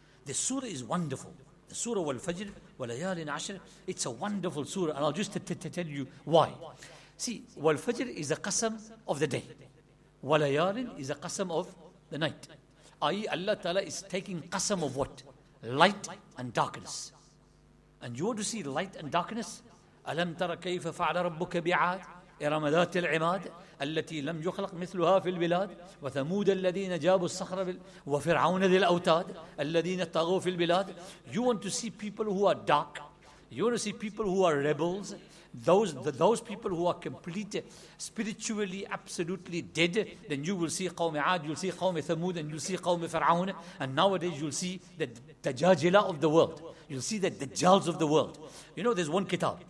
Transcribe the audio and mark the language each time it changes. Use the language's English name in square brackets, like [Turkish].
[English] The surah is wonderful. The surah wal Fajr, wal Layalin Ashr, it's a wonderful surah. And I'll just tell you why. See, wal Fajr is a qasam of the day. Wal Layalin is a qasam of the night. I.e. Allah ta'ala is taking qasam of what? Light and darkness. And you want to see light and darkness? [Arabic] ألم تر كيف فعل ربك بعاد إرم ذات العماد التي لم يخلق مثلها في البلاد وثمود الذين جابوا الصخر وفرعون ذي الأوتاد الذين طغوا في البلاد. [English] You want to see people who are dark. You want to see people who are rebels. Those people who are completely spiritually absolutely dead. Then you will see قوم عاد, you'll see قوم ثمود, and you'll see قوم فرعون. And nowadays you'll see the Dajjala of the world. You'll see that the Dajjals of the world. You know, there's one kitab.